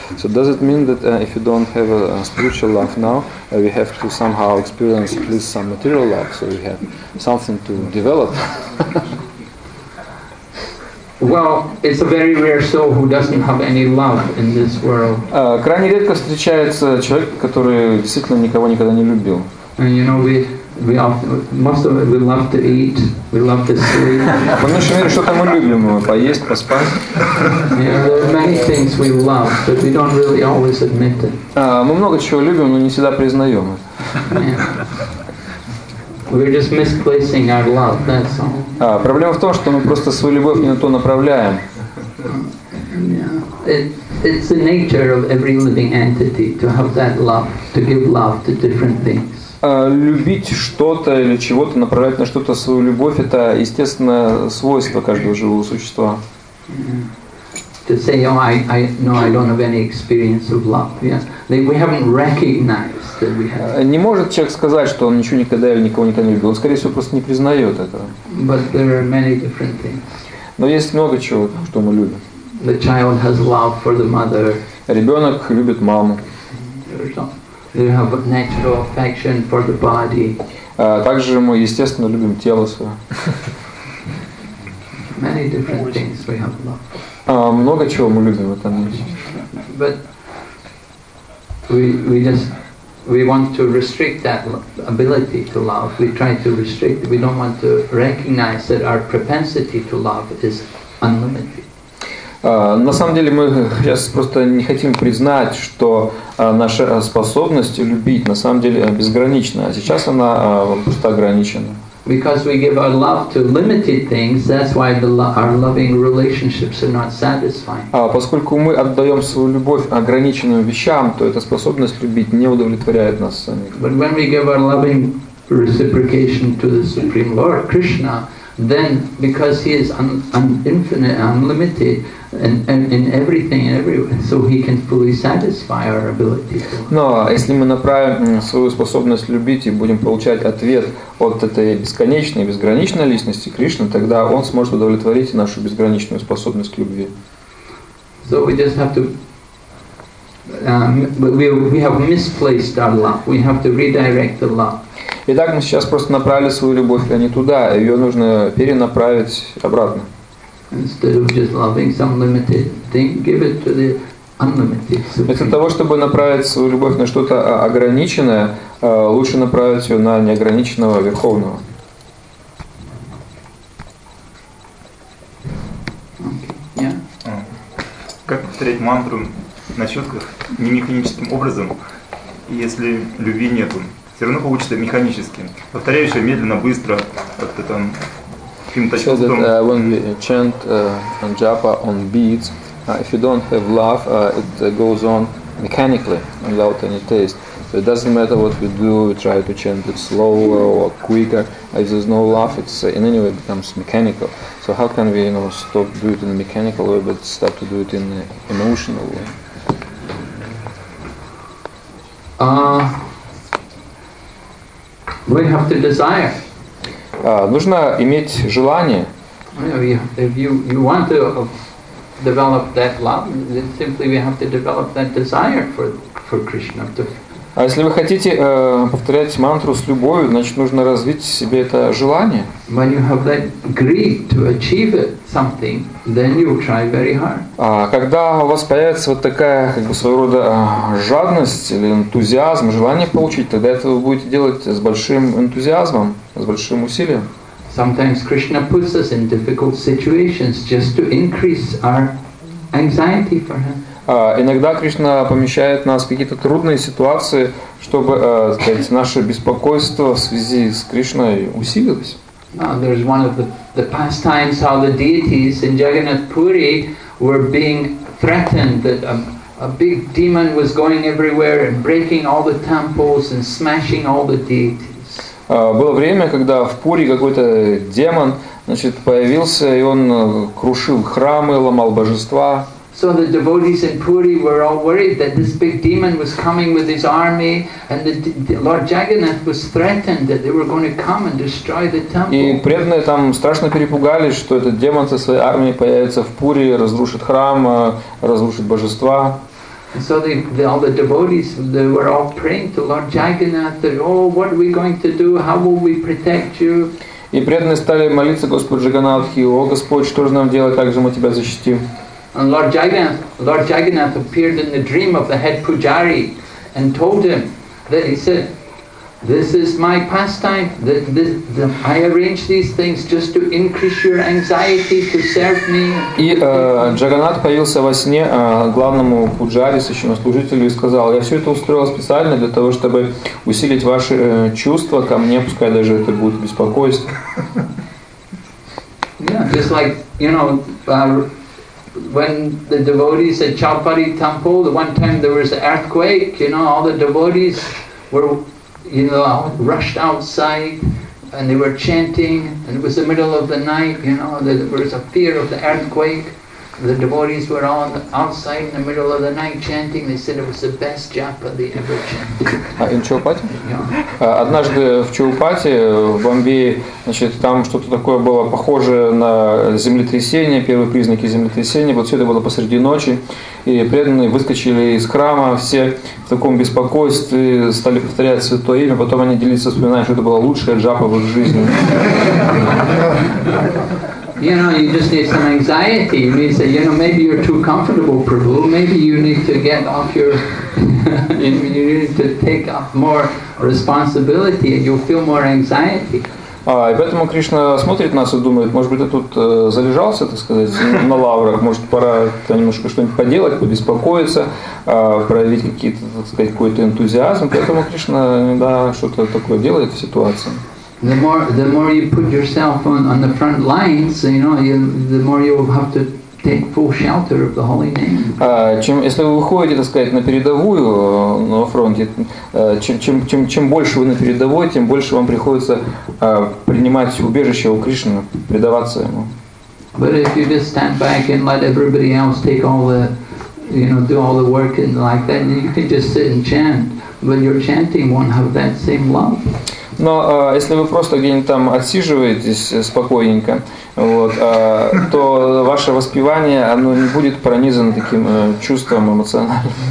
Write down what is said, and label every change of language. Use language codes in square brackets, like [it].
[en] So does it mean that if you don't have a spiritual love now, we have to somehow experience at least some material love, so we have something to develop? Well, it's a very rare soul who doesn't have any love in this world. [ru] Крайне редко встречается человек, который действительно никого никогда не любил. [en] And you know, we love to eat, we love to sleep. [ru] Мы же верим, что-то мы любим, поесть, поспать. [en] There are many things we love, but we don't really always admit it. [ru] Мы много чего любим, но не всегда признаем. [en] We're just misplacing our love, that's all. [ru] Проблема в том, что мы просто свою любовь не на то направляем. [en] Yeah. It's the nature of every living entity to have that love, to give love to different things. [ru] Любить что-то или чего-то, направлять на что-то свою любовь, это естественное свойство каждого живого существа. [en] To say, oh, I don't have any experience of love. Yeah. We haven't recognized that we have. [ru] Не может человек сказать, что он ничего никогда или никого никогда не любил. Он, скорее всего, просто не признает этого. [en] But there are many different things. [ru] Но есть много чего, что мы любим. [en] The child has love for the mother. [ru] Ребенок любит маму. [en] They have a natural affection for the body. [ru] Также мы, естественно, любим тело свое. [en] Many different things we have love. [ru] Много чего мы любим в этом мире. [en] But we want to restrict that ability to love. We try to restrict it. We don't want to recognize that our propensity to love is unlimited. [ru] На самом деле мы сейчас просто не хотим признать, что наша способность любить на самом деле безгранична, а сейчас она просто ограничена. [en] Because we give our love to limited things, that's why our loving relationships are not satisfying. [ru] Поскольку мы отдаем свою любовь ограниченным вещам, то эта способность любить не удовлетворяет нас самих. [en] But when we give our loving reciprocation to the Supreme Lord Krishna, then because he is infinite, unlimited, in everything and everywhere, so he can fully satisfy our ability. [ru] Но если мы направим свою способность любить и будем получать ответ от этой бесконечной, безграничной личности Кришны, тогда он сможет удовлетворить нашу безграничную способность к любви. [en] So we just have to. We have misplaced our love. We have to redirect the love. [ru] Итак, мы сейчас просто направили свою любовь, а не туда. Ее нужно перенаправить обратно. [en] Instead of just loving some limited thing, give it to the unlimited. [ru] Вместо того, чтобы направить свою любовь на что-то ограниченное, лучше направить ее на неограниченного верховного. [en] Okay. Yeah. [ru] Как повторять мантру на четках не механическим образом, если любви нету? Все равно получится механически. Повторяешь ее медленно, быстро, как-то там. [en] So that when we chant japa on beads, if you don't have love, it goes on mechanically without any taste. So it doesn't matter what we do, we try to chant it slower or quicker. If there's no love, it's in any way becomes mechanical. So how can we, you know, stop do it in a mechanical way, but start to do it in an emotional way? We have to desire. [ru] Нужно иметь желание. [en] If you want to develop that love, then simply we have to develop that desire for Krishna. [ru] А если вы хотите повторять мантру с любовью, значит нужно развить в себе это желание. [en] When you have that greed to achieve something, then you try very hard. [ru] А когда у вас появится вот такая как бы своего рода жадность или энтузиазм, желание получить, тогда это вы будете делать с большим энтузиазмом, с большим усилием. [en] Sometimes Krishna puts us in difficult situations just to increase our anxiety for Him. [ru] Иногда Кришна помещает нас в какие-то трудные ситуации, чтобы, сказать, наше беспокойство в связи с Кришной усилилось. [en] There's one of the past times how the deities in Jagannath Puri were being threatened that a big demon was going everywhere and breaking all the temples and smashing all the deities. [ru] Было время, когда в Пури какой-то демон, значит, появился, и он крушил храмы, ломал божества. [en] So the devotees in Puri were all worried that this big demon was coming with his army, and the Lord Jagannath was threatened that they were going to come and destroy the temple. [ru] И преданные там страшно перепугались, что этот демон со своей армией появится в Пури, разрушит храм, разрушит божества. [en] And so all the devotees, they were all praying to Lord Jagannath that, oh, what are we going to do? How will we protect you? [ru] И преданные стали молиться Господу Джаганнатхи: о, Господь, что же нам делать, как же мы тебя защитим? [en] And Lord Jagannath appeared in the dream of the head pujari and told him that he said, this is my pastime, I arrange these things just to increase your anxiety to serve me. [ru] И Джаганнат появился во сне главному пуджари, священнослужителю, и сказал: я все это устроил специально для того, чтобы усилить ваши чувства ко мне, пускай даже это будет беспокойство. [en] Yeah, just like, you know, when the devotees at Chalpari temple, the one time there was an earthquake, you know, all the devotees were, you know, rushed outside and they were chanting, and it was the middle of the night, you know, there was a fear of the earthquake. The devotees were all outside in the middle of the night chanting. They said it was the best japa they ever chanted. In Chaupati? Yeah. [ru] Однажды в Чаупати, в Бомбее, значит, там что-то такое было похожее на землетрясение, первые признаки землетрясения. Вот все это было посреди ночи. И преданные выскочили из храма, все в таком беспокойстве, стали повторять святое имя. Потом они делились со вспоминанием, что это была лучшая джапа в их жизни. [en] You know, you just need some anxiety. You may say, you know, maybe you're too comfortable, Prabhu. Maybe you need to get off your... you need to take up more responsibility and you'll feel more anxiety. [ru] И поэтому Кришна смотрит нас и думает, может быть, ты тут залежался, так сказать, на лаврах, может, пора немножко что-нибудь поделать, побеспокоиться, проявить какие-то, так сказать, какой-то энтузиазм. Поэтому Кришна, да, что-то такое делает в ситуации. [en] The more you put yourself on the front lines, you know, the more you will have to take full shelter of the holy name. [ru] Если вы выходите, так сказать, на передовую, на фронте, чем больше вы на передовой, тем больше вам приходится принимать убежище у Кришны, предаваться ему. [en] But if you just stand back and let everybody else take all the, you know, do all the work and like that, then you can just sit and chant. When you're chanting, won't have that same love. [ru] Но если вы просто где-нибудь там отсиживаетесь спокойненько, вот, то ваше воспевание, оно не будет пронизано таким чувством эмоциональным.